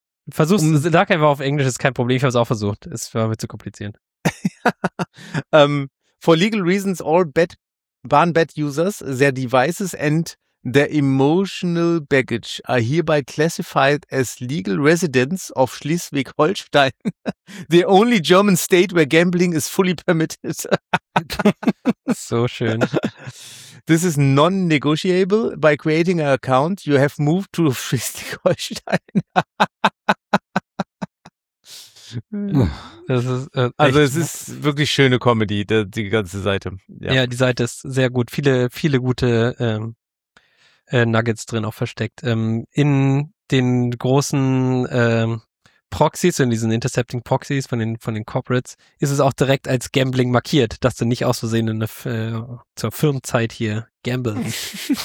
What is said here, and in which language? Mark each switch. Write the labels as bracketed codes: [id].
[de] versuch's, sag einfach auf Englisch, ist kein Problem. Ich habe es auch versucht. Es war mir zu kompliziert. [en] For legal reasons, all Bahn-Bed users, their devices and their emotional baggage are hereby classified as legal residents of Schleswig-Holstein, the only German state where gambling is fully permitted. [de] So schön. [en] This is non-negotiable. By creating an account, you have moved to Schleswig-Holstein. [de] Das ist, also es ist wirklich schöne Comedy, die ganze Seite. Ja. Ja, die Seite ist sehr gut. Viele, viele gute Nuggets drin auch versteckt. In den großen Proxies, in diesen Intercepting Proxies von den Corporates, ist es auch direkt als Gambling markiert, dass du nicht aus Versehen zur Firmenzeit hier gambelst.